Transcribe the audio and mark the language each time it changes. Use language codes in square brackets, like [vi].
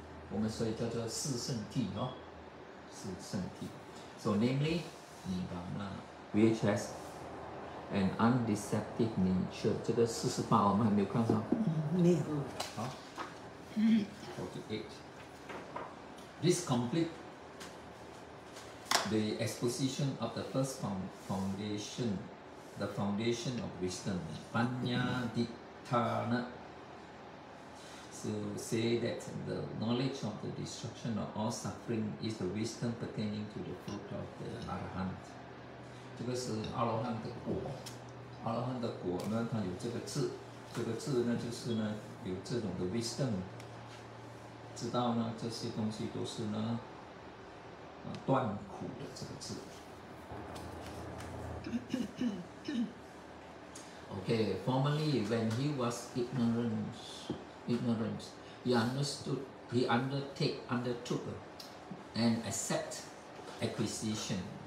[zh] 我们所以叫做四圣地哦。四圣地。 [en] So namely, Nirvana, which has an undeceptive nature. [zh] 这个四十八我们还没有看上。没有。好。 [en] 48. This complete the exposition of the first foundation, the foundation of wisdom, Panya Dittana. So say that the knowledge of the destruction of all suffering is the wisdom pertaining to the fruit of the Arahant. [zh] 这个是阿罗汉的果，阿罗汉的果呢，它有这个字，这个字呢就是呢有这种的 wisdom。知道呢，这些东西都是呢，断苦的这个字。 [en] Okay, formerly when he was ignorant, he understood, he undertook, and accept acquisition.